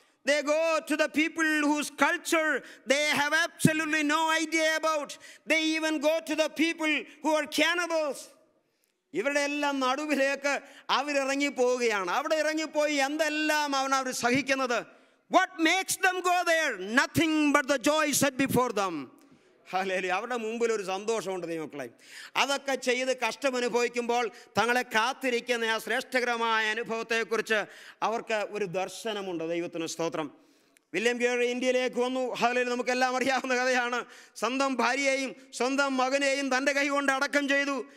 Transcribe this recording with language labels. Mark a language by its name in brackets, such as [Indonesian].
[English] They go to the people whose culture they have absolutely no idea about. They even go to the people who are cannibals. [Malayalam] ഇവരുടെ എല്ലാം നടുവിലേക്ക് അവരിറങ്ങിപ്പോവുകയാണ്. അവിടെ ഇറങ്ങിപ്പോയി എന്തെല്ലാം അവൻ അവർ സഹിക്കുന്നത്. [English] What makes them go there? Nothing but the joy set before them. [Malayalam] Hallelujah. അവരുടെ മുമ്പിൽ ഒരു സന്തോഷമുണ്ട്. ദൈവമക്കളെ, അതൊക്കെ ചെയ്ത് കഷ്ടമനുഭവിക്കുമ്പോൾ തങ്ങളെ കാത്തിരിക്കുന്ന ആ ശ്രേഷ്ഠകരമായ അനുഭവത്തെക്കുറിച്ച് അവർക്ക് ഒരു ദർശനമുണ്ട്. ദൈവത്തിന് സ്തോത്രം. വില്യം ഗ്യറി ഇന്ത്യയിലേക്ക് വന്നു. ഹാലലു. നമുക്കെല്ലാം അറിയാവുന്ന കഥയാണ്. സ്വന്തം ഭാര്യയെയും സ്വന്തം മകനെയും തൻ്റെ കൈകൊണ്ട് അടക്കം ചെയ്തു.